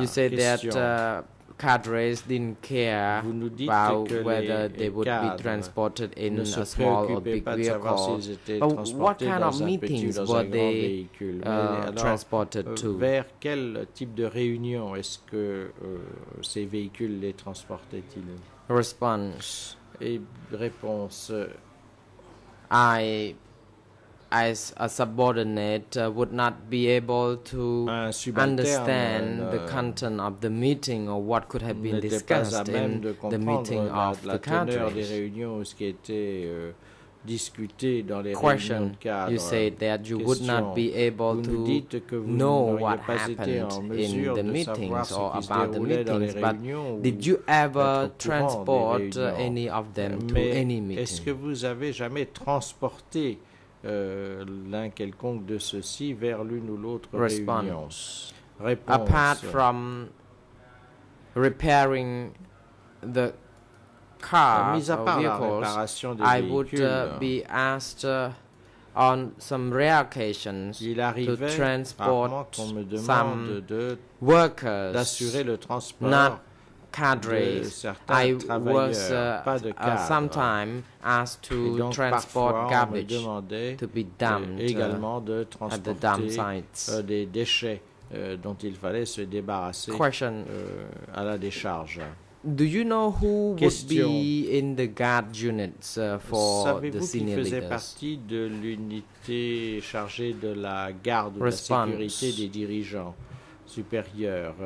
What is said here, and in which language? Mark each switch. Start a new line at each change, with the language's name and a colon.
English: You said that cadres didn't care about whether they would be transported in a small or big vehicle.
French: Si
English: but what kind of meetings were they transported to?
French: Vers quel type de réunion est-ce que ces véhicules les transportaient-ils?
English: Response.
French: Et réponse.
English: As a subordinate, would not be able to understand the content of the meeting or what could have been discussed in the meeting of the countries. Question, you said that you would not be able to know what happened in the meetings or about the meetings, but did you ever transport any of them to any meeting?
French: Est-ce que vous avez jamais transporté l'un quelconque de ceci vers l'une ou l'autre réunion? Réponse.
English: Apart from repairing the car, I would be asked on some rare occasions to transport some workers,
French: d'assurer le transport
English: not cadres. I was sometimes asked to transport garbage to be dumped
French: également de transporter
English: at the dump sites.
French: Des déchets dont il fallait se débarrasser à la décharge.
English: Do you know who would be in the guard units for the senior leaders?
French: Faisait partie de l'unité chargée de la garde de la sécurité des dirigeants supérieurs.